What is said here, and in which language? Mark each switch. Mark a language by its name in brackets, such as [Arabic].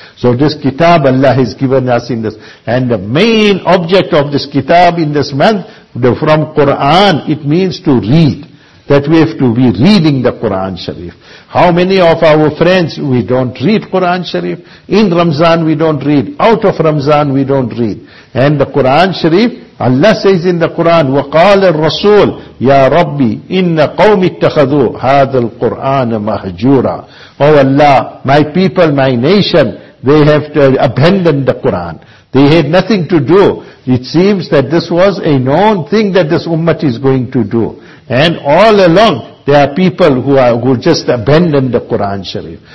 [English] So this kitab Allah has given us in this. And the main object of this kitab in this month, from Quran, it means to read. That we have to be reading the Quran Sharif. How many of our friends, we don't read Quran Sharif. In Ramzan we don't read. Out of Ramzan we don't read. And the Quran Sharif, Allah says in the Quran, [Arabic] وَقَالَ الرَّسُولُ يَا رَبِّ إِنَّ قَوْمِ اتَّخَذُوا هَذَا الْقُرْآنَ مَهْجُورًا. [English] Oh Allah, my people, my nation, they have to abandon the Quran. They had nothing to do. It seems that this was a known thing that this ummah is going to do. And all along, there are people who just abandoned the Quran Sharif.